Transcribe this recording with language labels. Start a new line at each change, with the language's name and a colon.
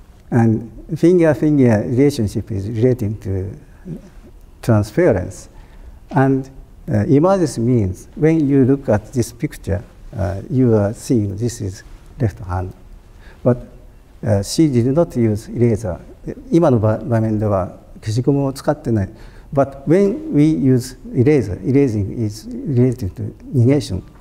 English: And finger-finger relationship is relating to transference. Andemerges means when you look at this picture, you are seeing this is left hand. But she did not use eraser.
Japanese: 今の場面では消しゴムを使ってない。
English: But when we use eraser, erasing is related to negation.